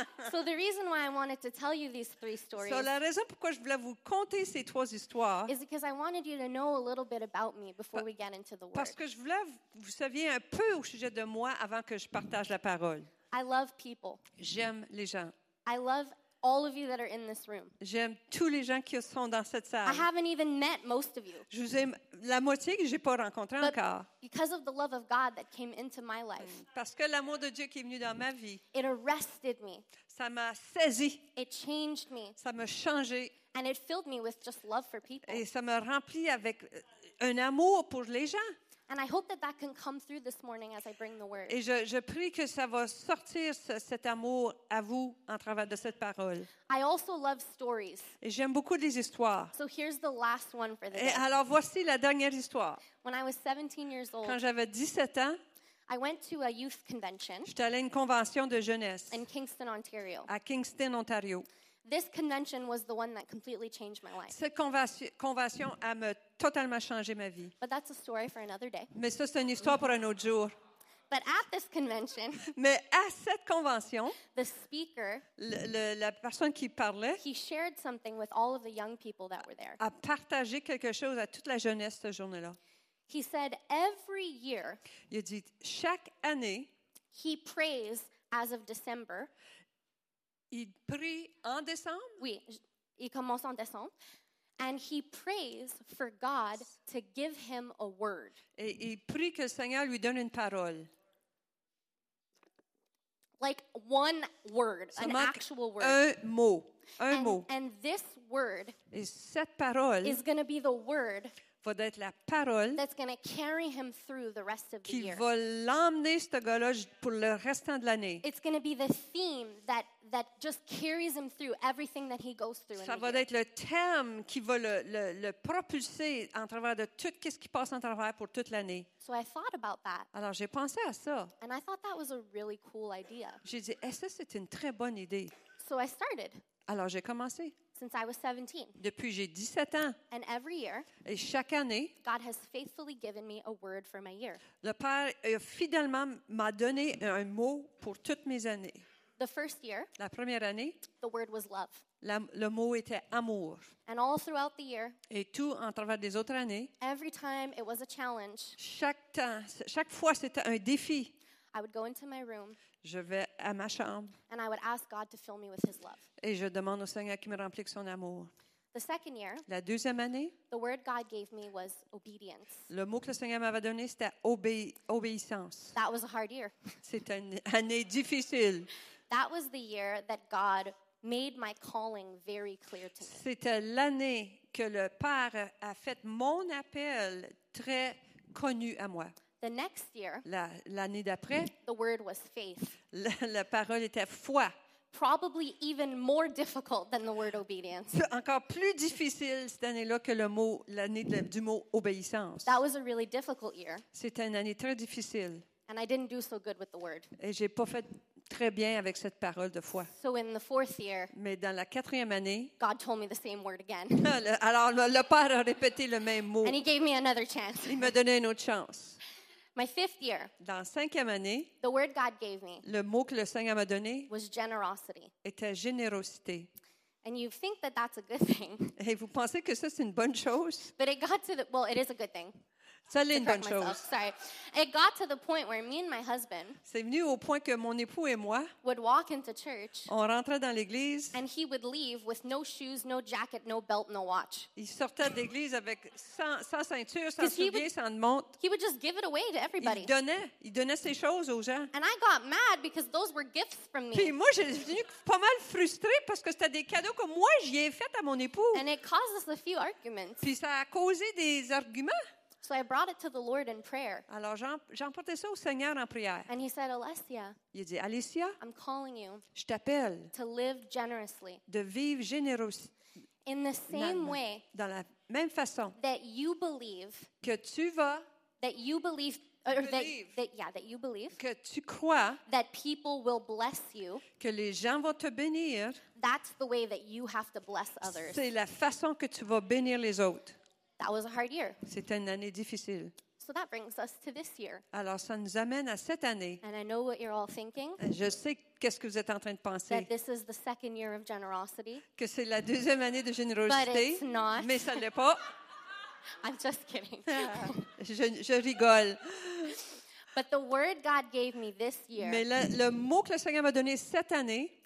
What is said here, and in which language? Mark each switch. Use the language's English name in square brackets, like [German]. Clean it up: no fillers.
[English] So the reason why I wanted to tell you these three stories. [French] So la raison pourquoi je voulais vous conter ces trois histoires. [English] Is because I wanted you to know a little bit about me before we get into the word. [French] Parce que je voulais vous saviez un peu au sujet de moi avant que je partage la parole. [English] I love people. [French] J'aime les gens. [English] I love all of you that are in this room. [French] J'aime tous les gens qui sont dans cette salle. [English] I haven't even met most of you. [French] Je vous aime la moitié que j'ai pas rencontré [English] but [French] encore. [English] Because of the love of God that came into my life. [French] Parce que l'amour de Dieu qui est venu dans ma vie. [English] It arrested me. [French] Ça m'a saisi. [English] It changed me. [French] Ça m'a changé. [English] And it filled me with just love for people. [French] Et ça m'a rempli avec un amour pour les gens. [English] And I hope that that can come through this morning as I bring the word. [French] Et je prie que ça va sortir cet amour à vous en travers de cette parole. [English] I also love stories. [French] Et j'aime beaucoup les histoires. [English] So here's the last one for the [French] et [English] day. [French] Alors voici la dernière histoire. [English] When I was 17 years old. [French] Quand j'avais 17 ans. [English] I went to a youth convention. [French] J'étais allée à une convention de jeunesse. [English] In Kingston, Ontario. [French] À Kingston, Ontario. [English] This convention was the one that completely changed my life. [French] Cette convention a totalement changé ma vie. [English] But that's a story for another day. [French] Mais ça, c'est une histoire pour un autre jour. [English] But at this convention, [French] mais à cette convention, [English] the speaker, [French] la personne qui parlait, [English] he shared something with all of the young people that were there. [French] A partagé quelque chose à toute la jeunesse cette journée-là. [English] He said, every year, [French] il a dit, chaque année, [English] He prays as of December. [French] Il prie en décembre? Oui, il commence en décembre. [English] And he prays for God to give him a word. [French] Et il prie que le Seigneur lui donne une parole. [English] Like one word, an actual word. [French] Un mot. Un mot. [English] And this word [French] et cette parole [English] is going to be the word [French] d'être la parole [English] that's going to carry him through the rest of the year. [French] Qui va l'emmener ce gars-là pour le restant de l'année. [English] It's going to be the theme that just carries him through everything that he goes through. [French] Ça va être le thème qui va le propulser en travers de tout ce qui passe en travers pour toute l'année. [English] So I thought about that. [French] Alors j'ai pensé à ça. [English] And I thought that was a really cool idea. [French] J'ai dit, est-ce que c'est une très bonne idée? [English] So I started. [French] Alors j'ai commencé. [English] Since I was 17. [French] Depuis j'ai 17 ans. [English] And every year, [French] et chaque année, [English] God has faithfully given me a word for my year. [French] Le Père a fidèlement m'a donné un mot pour toutes mes années. [English] The first year, [French] la première année, [English] the word was love. [French] Le mot était amour. [English] And all throughout the year, [French] et tout en travers des autres années, [English] every time it was a challenge, [French] chaque fois c'était un défi. [English] I would go into my room. [French] Je vais à ma chambre. [English] And I would ask God to fill me with his love. [French] Et je demande au Seigneur qu'il me remplisse son amour. [English] The second year, [French] la deuxième année, [English] the word God gave me was obedience. [French] Le mot que le Seigneur m'avait donné, c'était obéissance. [English] That was a hard year. [French] C'est une année difficile. [English] That was the year that God made my calling very clear to me. [French] C'était l'année que le Père a fait mon appel très connu à moi. [English] The next year, [French] l'année d'après, [English] the word was faith. [French] La parole était foi. [English] Probably even more difficult than the word obedience. [French] Encore plus difficile cette année-là que l'année du mot obéissance. [English] That was a really difficult year. [French] C'était une année très difficile. [English] And I didn't do so good with the word. [French] Et j'ai pas fait très bien avec cette parole de foi. [English] So in the fourth year, [French] mais dans la quatrième année, [English] God told me the same word again. [French] Alors le Père a répété le même mot. [English] And he gave me another chance. [French] Il m'a donné une autre chance. [English] My fifth year. [French] Dans cinquième année, [English] the word God gave me. [French] Le mot que le Seigneur m'a donné [English] was generosity. [French] Était générosité. [English] And you think that that's a good thing. [French] Et vous pensez que ça c'est une bonne chose? [English] But it got to the well, it is a good thing. [French] Ça l'est une bonne chose. [English] Sorry. It got to the point where me and my husband. [French] C'est venu au point que mon époux et moi. [English] Would walk into church. [French] On rentrait dans l'église. [English] And he would leave with no shoes, no jacket, no belt, no watch. [French] Il sortait d'église avec sans ceinture, sans souliers, sans montre. [English] He would just give it away to everybody. [French] Il donnait ses choses aux gens. [English] And I got mad because those were gifts from me. [French] Puis moi, je suis venu pas mal frustré parce que c'était des cadeaux que moi j'y ai fait à mon époux. [English] And it caused us a few arguments. [French] Puis ça a causé des arguments. [English] So I brought it to the Lord in prayer. [French] Alors j'emportais ça au Seigneur en prière. [English] And he said, Alessia, [French] il dit, Alicia, [English] I'm calling you. [French] Je t'appelle. [English] To live generously. [French] De vivre généreusement. [English] In the same way. [French] Dans la même façon. [English] That you believe. [French] Que tu vas. [English] That you believe. That you believe. [French] Que tu crois. [English] That people will bless you. [French] Que les gens vont te bénir. [English] That's the way that you have to bless others. [French] C'est la façon que tu vas bénir les autres. [English] That was a hard year. [French] C'était une année difficile. [English] So that brings us to this year. [French] Alors ça nous amène à cette année. [English] And I know what you're all thinking. [French] Je sais qu'est-ce que vous êtes en train de penser. [English] That this is the second year of generosity. [French] Que c'est la deuxième année de générosité. [English] But it's not. [French] Mais ça l'est pas. [English] I'm just kidding. [French] je rigole. [English] But the word God gave me this year. [French] Mais le mot que le Seigneur m'a donné cette année.